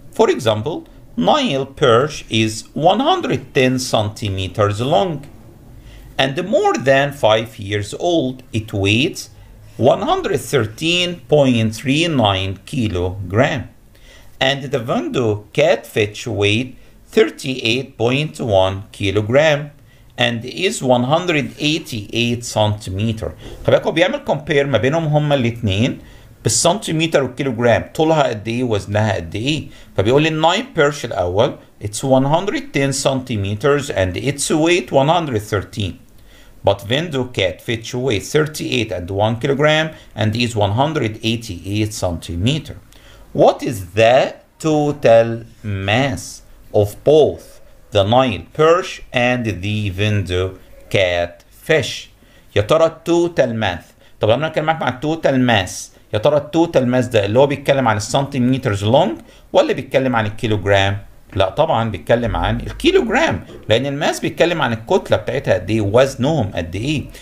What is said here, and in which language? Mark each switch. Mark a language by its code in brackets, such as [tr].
[en] For example Nile perch is 110 centimeters long and more than 5 years old it weighs 113.39 kilogram and the Vando catfish weight 38.1 kilogram and is 188 centimeter. [ar] خباكو بيعمل compare ما بينهم هما الاثنين بالسنتيمتر والكيلوغرام طولها قد ايه وزنها قد ايه. فبيقول لي النايل بيرش الاول [en] it's 110 centimeters and its weight 113 but Vando catfish weighs 38 and 1 kilogram and is 188 centimeter. What is the total mass of both the Nile perch and the Vando catfish. [ar] يا ترى [en] total mass. [ar] طب انا اتكلم معاك مع total mass. يا ترى total mass ده اللي هو بيتكلم عن السنتيمترز لونج ولا بيتكلم عن الكيلوغرام؟ لا طبعا بيتكلم عن الكيلوغرام لان الماس بيتكلم عن الكتله بتاعتها قد ايه وزنهم قد ايه.